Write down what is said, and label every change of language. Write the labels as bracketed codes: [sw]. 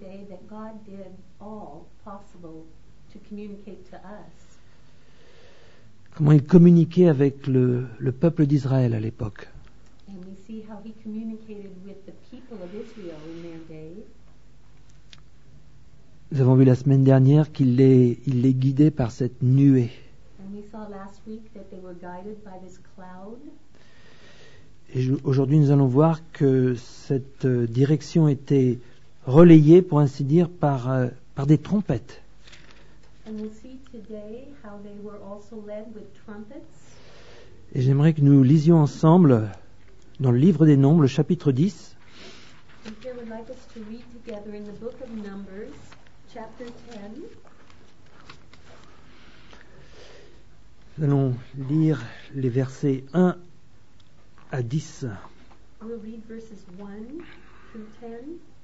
[en] That God did all possible to communicate to us. [fr] Comment il communiquait avec le peuple d'Israël à l'époque. [en] And we see how he communicated with the people of Israel in their day. [fr] Nous avons vu la semaine dernière qu'il les guidait par cette nuée. [en] And we saw last week that they were guided by this cloud. [fr] Et aujourd'hui nous allons voir que cette direction était relayé, pour ainsi dire, par des trompettes. [en] And we'll see today how they were also led with trumpets. [fr] Et j'aimerais que nous lisions ensemble dans le livre des Nombres, le chapitre 10. [en] And here we'd like us to read together in the book of Numbers, chapter 10. [fr] Nous allons lire les versets 1 à 10. [en] We'll read verses 1 through 10.